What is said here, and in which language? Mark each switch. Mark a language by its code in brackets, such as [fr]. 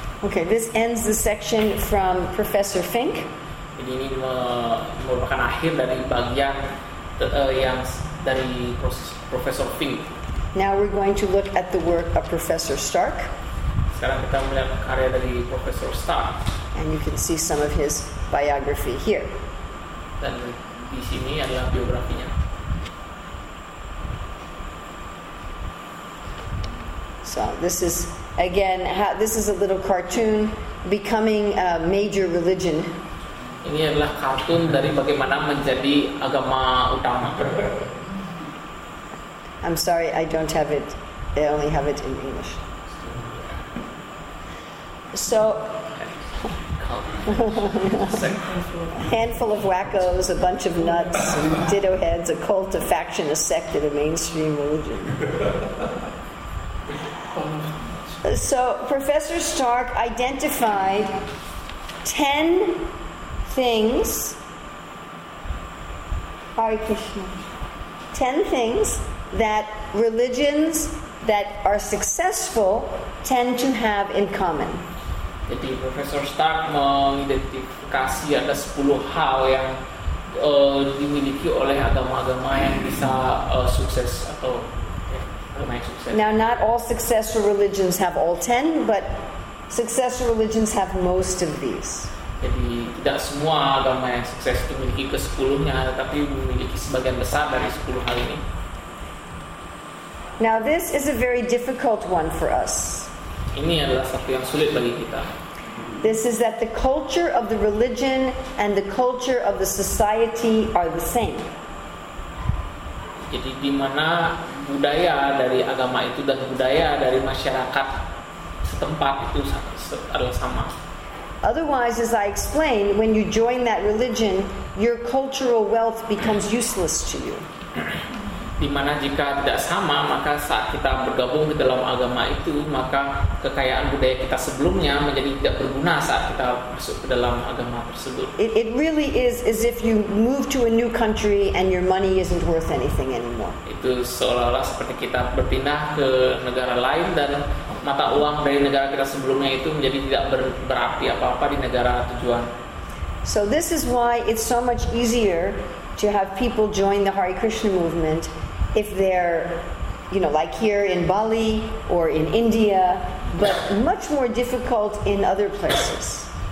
[en] Okay, this ends the section from Professor Fink. [id] Jadi ini merupakan akhir dari bagian yang dari Professor Fink. [en] Now we're going to look at the work of Professor Stark. [id] Sekarang kita melihat karya dari Professor Stark. [en] And you can see some of his biography here. [id] Dan di sini adalah biografinya. [en] So this is again, this is a little cartoon becoming a major religion. [id] Ini adalah kartun dari bagaimana menjadi agama utama. [en] I'm sorry, I don't have it. I only have it in English. So. Handful of wackos, a bunch of nuts, ditto heads, a cult, a faction, a sect, and a mainstream religion. So Professor Stark identified 10 things, Hare Krishna, 10 things that religions that are successful tend to have in common. [id] Jadi Profesor Stark mengidentifikasi ada 10 hal yang dimiliki oleh agama-agama yang bisa sukses atau agama yang sukses. [en] Now, not all successful religions have all 10, but successful religions have most of these. [id] Jadi tidak semua agama yang sukses itu memiliki ke-10-nya, tapi memiliki sebagian besar dari 10 hal ini. [en] Now, this is a very difficult one for us. [id] Ini adalah satu yang sulit bagi kita. [en] This is that the culture of the religion and the culture of the society are the same. [id] Jadi di mana budaya dari agama itu dan budaya dari masyarakat setempat itu adalah sama. [en] Otherwise, as I explained, when you join that religion, your cultural wealth becomes useless to you. [id] Di mana jika tidak sama, maka saat kita bergabung ke dalam agama itu, maka kekayaan budaya kita sebelumnya menjadi tidak berguna saat kita masuk ke dalam agama tersebut. [en] It really is as if you move to a new country and your money isn't worth anything anymore. [id] Itu seolah-olah seperti kita berpindah ke negara lain dan mata uang dari negara kita sebelumnya itu menjadi tidak berarti apa-apa di negara tujuan. [en] So this is why it's so much easier to have people join the Hare Krishna movement if they're, you know, like here in Bali or in India, but much more difficult in other places.